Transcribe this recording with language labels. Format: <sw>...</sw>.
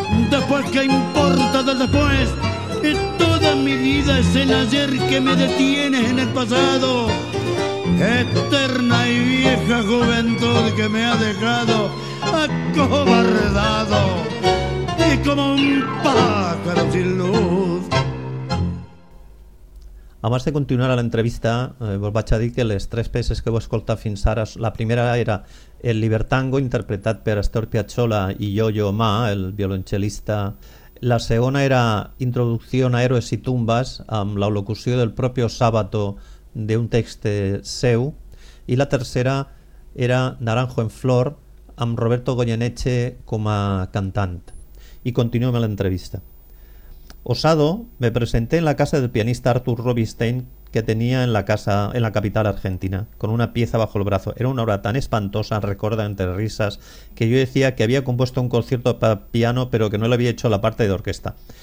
<es>Después, ¿qué importa del después? Y toda mi vida es el ayer que me detiene en el pasado. Eterna y vieja juventud que me ha dejado acobardado y como un pájaro sin luz.</es> <ca>Abans de continuar a l'entrevista, vos vaig a dir que les tres peces que heu escoltat fins ara, la primera era el Libertango, interpretat per Astor Piazzolla i Yo-Yo Ma, el violoncel·lista. La segona era Introducción a Héroes y Tumbas, amb la locució del propi Sábato d'un text seu. I la tercera era Naranjo en Flor, amb Roberto Goyeneche com a cantant. I continuem a l'entrevista.</ca> <es>Osado, me presenté en la casa del pianista Arthur Rubinstein que tenía en la casa en la capital argentina, con una pieza bajo el brazo. Era una obra tan espantosa, recuerda entre risas, que yo decía que había compuesto un concierto para piano, pero que no le había hecho la parte de orquesta.</es>